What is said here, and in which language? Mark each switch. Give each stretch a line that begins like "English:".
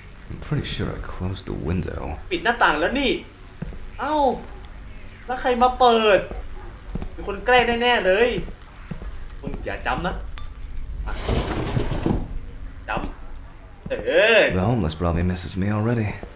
English: I'm pretty sure I closed the window.
Thai: ปิดหน้าต่างแล้วนี่เอ้าแล้วใครมาเปิดมีคนแกล้งแน่ๆเลยมึงอย่าจำนะจำ
English: The homeless probably misses me already